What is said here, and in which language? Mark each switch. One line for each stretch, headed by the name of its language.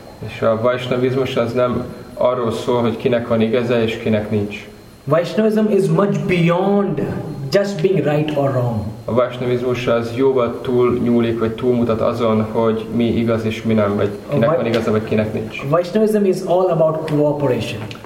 Hungarian: És a Vaishnavizmus az nem arról szól, hogy kinek van igaza és kinek nincs.
English: Vaishnavism is much beyond just being right or wrong.
Hungarian: A vaisnavizmus az jóval túl nyúlik, vagy túlmutat azon, hogy mi igaz és mi nem, vagy kinek van igaza, vagy kinek nincs.
English: Vaisnavism is all about cooperation.